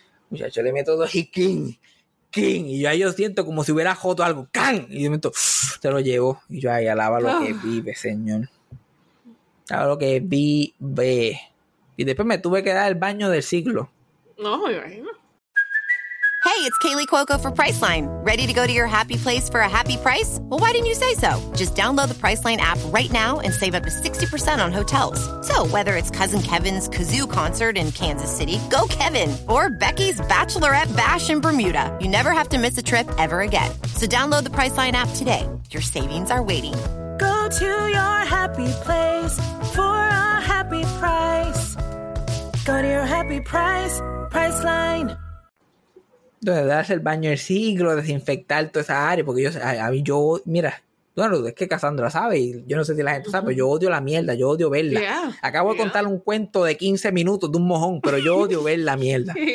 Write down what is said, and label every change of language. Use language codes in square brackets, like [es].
[es] Muchacho, le meto dos y ¡king! Y yo ahí yo siento como si hubiera joto algo, ¡can! Y yo me meto, te lo llevo. Y yo ahí alaba lo que vive, señor. Alaba lo que vive. Y después me tuve que dar el baño del siglo. No, me imagino. [en] Hey, it's Kaylee Cuoco for Priceline. Ready to go to your happy place for a happy price? Well, why didn't you say so? Just download the Priceline app right now and save up to 60% on hotels. So whether it's Cousin Kevin's Kazoo Concert in Kansas City, go Kevin! Or Becky's Bachelorette Bash in Bermuda, you never have to miss a trip ever again. So download the Priceline app today. Your savings are waiting. Go to your happy place for a happy price. Go to your happy price, Priceline. [es] Entonces, darse el baño del siglo, desinfectar toda esa área, porque mira, es que Cassandra sabe, y yo no sé si la gente sabe, pero yo odio la mierda, yo odio verla. [en] Yeah. [es] Acabo de contar un cuento de 15 minutos de un mojón, pero yo odio ver la mierda.